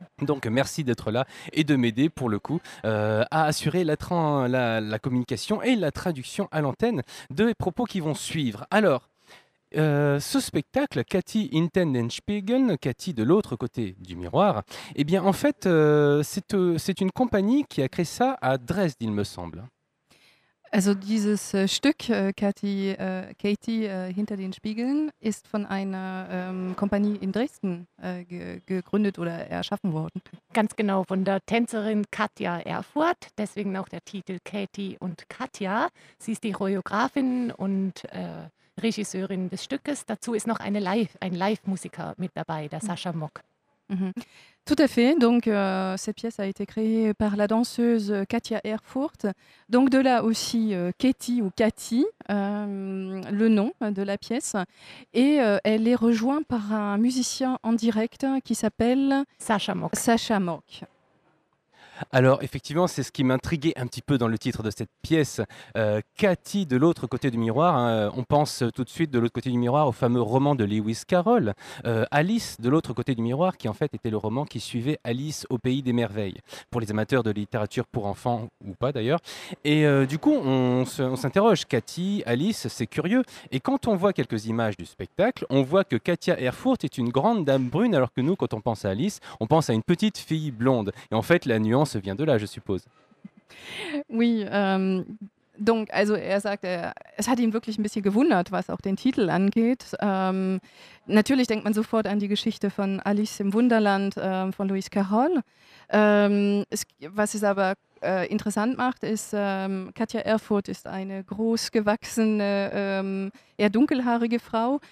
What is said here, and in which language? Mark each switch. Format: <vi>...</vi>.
<fr>Donc, merci d'être là et de m'aider, pour le coup, à assurer la communication et la traduction à l'antenne de les propos qui vont suivre. Alors, ce spectacle, Cathy Hinter den Spiegeln, Cathy de l'autre côté du miroir, eh bien, en fait, c'est une compagnie qui a créé ça à Dresde, il me semble.</fr> <de>Also dieses Stück, Cathy Hinter den Spiegeln, ist von einer Kompanie in Dresden gegründet oder erschaffen worden. Ganz genau, von der Tänzerin Katja Erfurt, deswegen auch der Titel Cathy und Katja. Sie ist die Choreografin und Regisseurin des Stückes. Dazu ist noch ein Live-Musiker mit dabei, der Sascha Mock.</de> <fr>Mhm. Tout à fait. Donc, cette pièce a été créée par la danseuse Katja Erfurt. Donc, de là aussi Cathy ou Cathy, le nom de la pièce. Et elle est rejointe par un musicien en direct qui s'appelle Sascha Mock. Sascha Mock. Alors, effectivement, c'est ce qui m'intriguait un petit peu dans le titre de cette pièce, Cathy de l'autre côté du miroir. On pense tout de suite de l'autre côté du miroir au fameux roman de Lewis Carroll, Alice de l'autre côté du miroir, qui en fait était le roman qui suivait Alice au pays des merveilles, pour les amateurs de littérature pour enfants ou pas d'ailleurs. Et du coup, on s'interroge, Cathy, Alice, c'est curieux. Et quand on voit quelques images du spectacle, on voit que Katja Erfurt est une grande dame brune, alors que nous, quand on pense à Alice, on pense à une petite fille blonde. Et en fait, la nuance se vient de là, je suppose. Oui, donc,</fr> <de>also er sagt, es hat ihn wirklich ein bisschen gewundert, was auch den Titel angeht. Natürlich denkt man sofort an die Geschichte von Alice im Wunderland von Lewis Carroll. Was es aber interessant macht, ist, Katja Erfurt ist eine großgewachsene, eher dunkelhaarige Frau.</de>